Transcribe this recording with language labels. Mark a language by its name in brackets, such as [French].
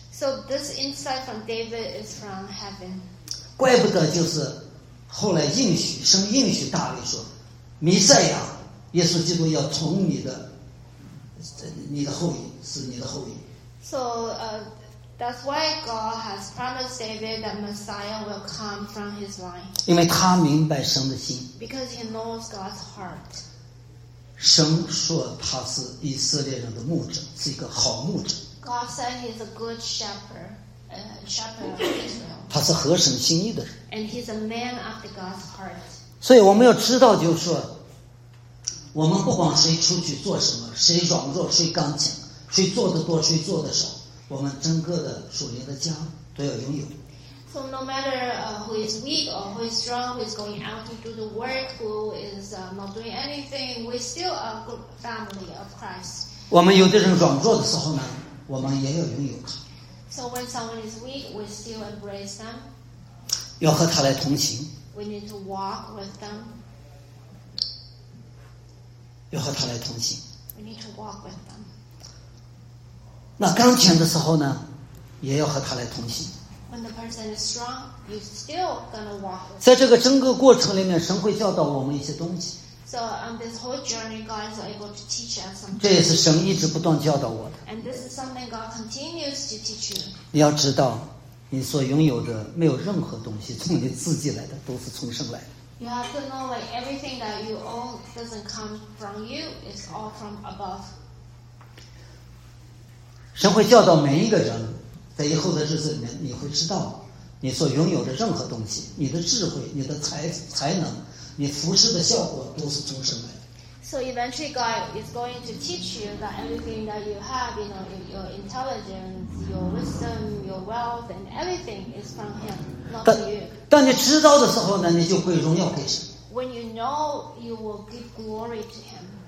[English] So this insight from David is from heaven. [Chinese] 怪不得就是后来应许，神应许大卫说。弥赛亚耶稣基督要从你的后裔，是你的后裔。 [English] So that's why God has promised David that Messiah will come from his line. [Chinese] 因为他明白神的心。 [English] Because he knows God's heart. [Chinese] 神说他是以色列人的牧者，是一个好牧者。 [English] God said he's a good shepherd, shepherd of Israel. [Chinese] 他是合神心意的人。 [English] And he's a man after God's heart. [Chinese] 所以我们要知道，就是说我们不管谁出去做什么，谁软弱谁刚强，谁做得多谁做得少，我们整个的属灵的家都要拥有。 [English] So no matter who is weak or who is strong, who is going out to do the work, who is not doing anything, we still a good family of Christ. [Chinese] 我们有的人软弱的时候呢，我们也要拥有他。 [English] So when someone is weak, we still embrace them. [Chinese] 要和他来同行。 [English] We need to walk with them. [Chinese] 要和他来同行。 [English] We need to walk with them. [Chinese] 那刚强的时候呢，也要和他来同行。 [English] When the person is strong, you're still gonna walk with them. [Chinese] 在这个整个过程里面，神会教导我们一些东西。 [English] So on this whole journey, God is able to teach us something. [Chinese] 这也是神一直不断教导我的。 [English] And this is something God continues to teach you. [Chinese] 你要知道。你所拥有的没有任何东西从你自己来的，都是从神来的。 [English] You have to know that everything that you own doesn't come from you, it's all from above. [Chinese] 神会教导每一个人，在以后的日子里面，你会知道你所拥有的任何东西，你的智慧，你的才能，你服侍的效果，都是从神来的。 [English] So eventually God is going to teach you that everything that you have, you know, your intelligence, your wisdom, your wealth, and everything is from Him, not from you. [Chinese] 但你知道的时候呢，你就会荣耀给神。 [English] When you know, you will give glory to Him.